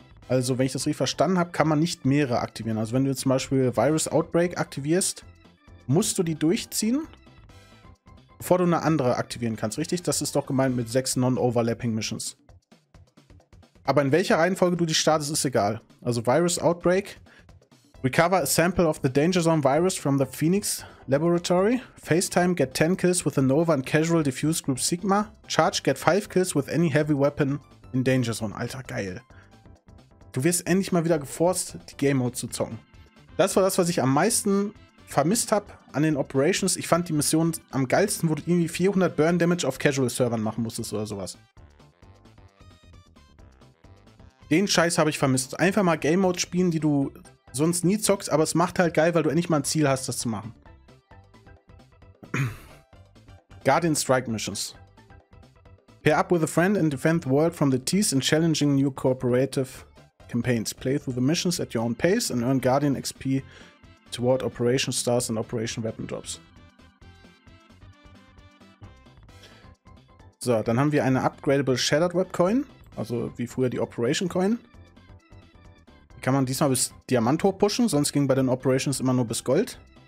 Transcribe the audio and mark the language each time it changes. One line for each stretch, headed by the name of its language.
German: Also wenn ich das richtig verstanden habe, kann man nicht mehrere aktivieren. Also wenn du jetzt zum Beispiel Virus Outbreak aktivierst, musst du die durchziehen, bevor du eine andere aktivieren kannst. Richtig? Das ist doch gemeint mit 6 non-overlapping Missions. Aber in welcher Reihenfolge du die startest, ist egal. Also Virus Outbreak.
English: Recover a sample of the Danger Zone Virus from the Phoenix Laboratory. FaceTime, get 10 kills with the Nova and Casual Diffuse Group Sigma. Charge, get 5 kills with any heavy weapon in Danger Zone.
German: Alter, geil. Du wirst endlich mal wieder geforst, die Game Mode zu zocken. Das war das, was ich am meisten vermisst habe an den Operations. Ich fand die Mission am geilsten, wo du irgendwie 400 Burn Damage auf Casual Servern machen musstest oder sowas. Den Scheiß habe ich vermisst. Einfach mal Game Mode spielen, die du sonst nie zockst, aber es macht halt geil, weil du endlich mal ein Ziel hast, das zu machen.
English: Guardian Strike Missions. Pair up with a friend and defend the world from the T's in challenging new cooperative campaigns. Play through the missions at your own pace and earn Guardian XP toward Operation Stars and Operation Weapon Drops.
German: So, dann haben wir eine upgradable Shattered Web Coin, also wie früher die Operation Coin. Kann man diesmal bis Diamant hoch pushen, sonst ging bei den Operations immer nur bis Gold.